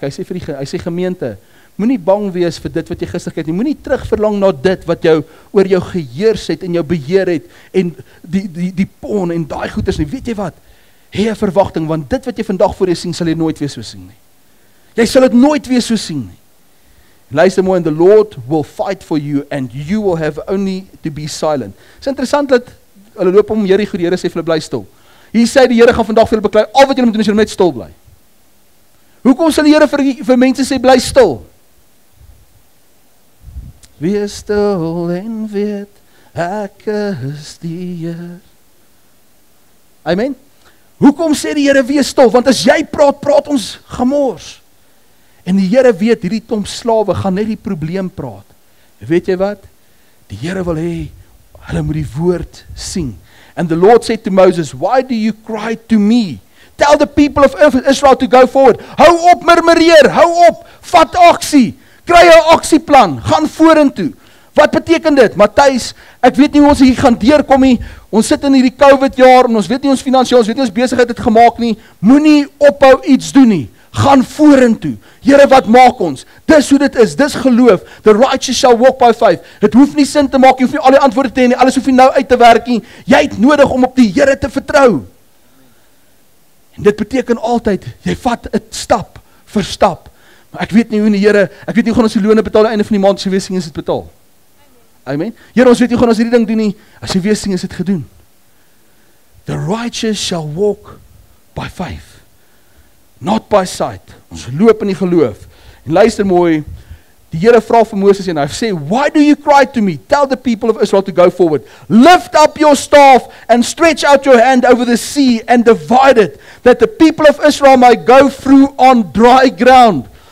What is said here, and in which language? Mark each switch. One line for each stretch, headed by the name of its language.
Afrikaans: Hy sê gemeente, moenie bang wees vir dit wat jy gister gekry het. Moenie terugverlang na dit wat jou oor jou geheers het en jou beheer het en die pon en daai goeders nie. Weet jy wat? Hê 'n verwagting, want dit wat jy vandag voor jou sien, sal jy nooit weer so sien nie. Jy sal dit nooit weer so sien nie. Luister mooi,
English: the Lord will fight for you and you will have only to be silent.
Afrikaans: Dis interessant dat hulle loop om Jericho, die Here sê vir hulle bly stil. Hier sê die Here gaan vandag vir hulle beklei, al wat jy moet doen is jy net stil bly. Hoekom sal die Here vir mense sê bly stil? Wees stil en weet, ek is die Here. Amen. Hoekom sê die Here wees stil? Want as jy praat, praat ons gemors. En die Here weet, hierdie klomp slawe gaan net die probleem praat. Weet jy wat? Die Here wil hê hulle moet die woord sien.
English: And the Lord said to Moses, why do you cry to me? Tell the people of Israel to go forward.
Afrikaans: Hou op murmureer, hou op, vat aksie. Kry 'n aksieplan, gaan vorentoe. Wat beteken dit? Matthys, ek weet nie hoe ons hier gaan deurkom nie. Ons sit in hierdie COVID jaar en ons weet nie ons finansiële, ons weet nie ons besigheid het gemaak nie. Moenie ophou iets doen nie. Gaan vorentoe. Here, wat maak ons? Dis hoe dit is. Dis geloof.
English: The righteous shall walk by faith.
Afrikaans: Dit hoef nie sin te maak, jy hoef nie al die antwoorde te hê nie. Alles hoef jy nou uit te werk nie. Jy het nodig om op die Here te vertrou. En dit beteken altyd jy vat 'n stap vir stap. Ek weet nie hoe die Here, ek weet nie hoe gaan ons die loone betaal aan die einde van die maand, as die weesing is dit betaal. Amen. Here, ons weet nie hoe gaan ons hierdie ding doen nie, as die weesing is dit gedoen.
English: The righteous shall walk by faith, not by sight.
Afrikaans: Ons loop in die geloof. En luister mooi, die Here vra vir Moses en hy sê,
English: why do you cry to me? Tell the people of Israel to go forward. Lift up your staff and stretch out your hand over the sea and divide it, that the people of Israel may go through on dry ground.